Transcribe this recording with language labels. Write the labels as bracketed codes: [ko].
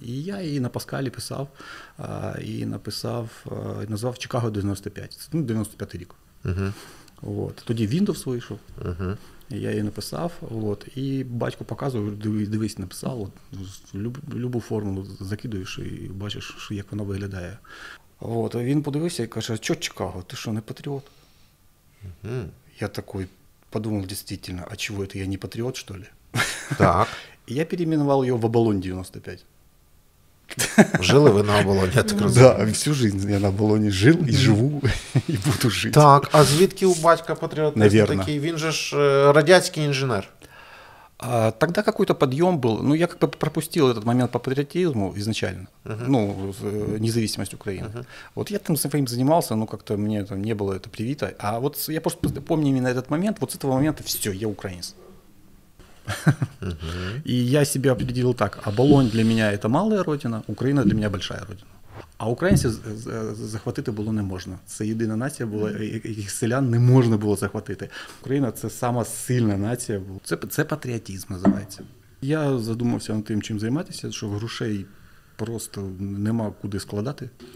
[uk] І я її на Паскалі писав, і написав, назвав Чикаго 95, це 95-й рік. От. Тоді Windows вийшов, я її написав, от. І батько показував, дивись, написав, от. Любу формулу закидуєш і бачиш, що, як вона виглядає. От. А він подивився і каже, що Чикаго, ти що, не патріот? Я такий подумав, дійсно, а чого, це я не патріот, що ли? Так. Я переименував його в Абалон 95. Жили ви на Оболоні, я так розумію. Так, [ru] всю жизнь [uk] я на Оболоні жив і живу, і буду жити. Так, а звідки у батька патріотизм такий? Він же ж радянський інженер. Тоді якийсь підйом був. Ну, я якби пропустив цей момент по патріотизму ізначально. Ну, незалежність України. От я там своїм займався, ну, як-то мені там не було це привіто. А от я просто пам'ятаю мені на цей момент, от з цього моменту все, я українець. [ru] И я себе определил так: Оболонь для меня это малая родина, Украина для меня большая родина. [uk] А українців захватити було не можна. Це єдина нація була, яких селян не можна було захватити. Україна це сама сильна нація. Це патріотизм називається. Я задумався над тим, чим займатися, що грошей просто нема куди складати.